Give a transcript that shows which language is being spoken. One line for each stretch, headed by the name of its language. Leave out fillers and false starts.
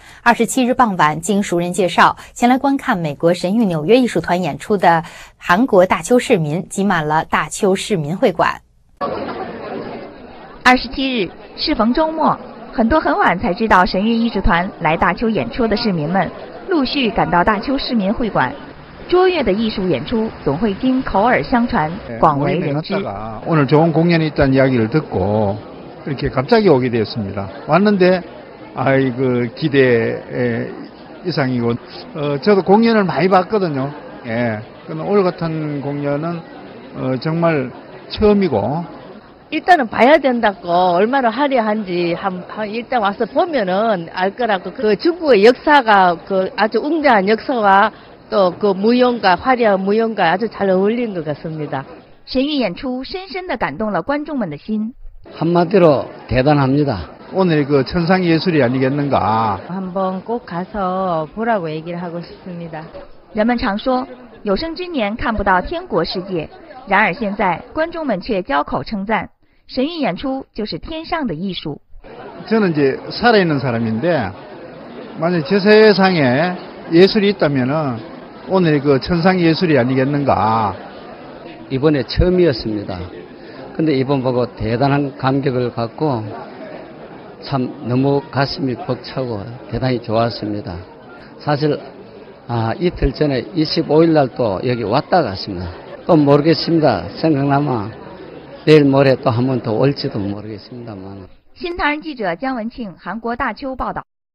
Chinese: 27日傍晚，经熟人介绍，前来观看美国神韵纽约艺术团演出的韩国大邱市民挤满了大邱市民会馆。 27日 适逢周末，很多很晚才知道神韵艺术团来大邱演出的市民们陆续赶到大邱市民会馆。卓越的艺术演出总会经口耳相传，广为人知。
Korean: 오늘 좋은 공연이 있다는 이야기를 듣고 이렇게 갑자기 오게 되었습니다. 왔는데 아이고 기대 이상이고 저도 공연을 많이 봤거든요. 예, 근데 오늘 같은 공연은 정말 처음이고. 일단은 봐야 된다고 얼마나 화려한지 한 일단 와서 보면은 알 거라고 그 중국의 역사가 그 아주 웅장한 역사와 또 그 무용과 화려한 무용과 아주 잘 어울린 것 같습니다.
Chinese: 神韵演出深深地感动了观众们的心。
Korean: 한마디로 대단합니다. 오늘 그 천상 예술이 아니겠는가. 한번 꼭 가서 보라고 얘기를 하고 싶습니다.
Chinese: 人们常说有生之年看不到天国世界。然而现在观众们却交口称赞，神韵演出就是天上的艺术。
Korean: 저는 이제 살아있는 사람인데 만약 저 세상에 예술이 있다면은 오늘 그 천상 예술이 아니겠는가. 이번에 처음이었습니다. 근데 이번 보고 대단한 감격을 갖고 참 너무 가슴이 벅차고 대단히 좋았습니다. 사실 이틀 전에 25일 날 또 여기 왔다 갔습니다. 또 모르겠습니다. 생각나면 내일 모레 또 한 번 더 올지도 모르겠습니다만.
Chinese: 신타人记者姜文庆，韩国大邱报道。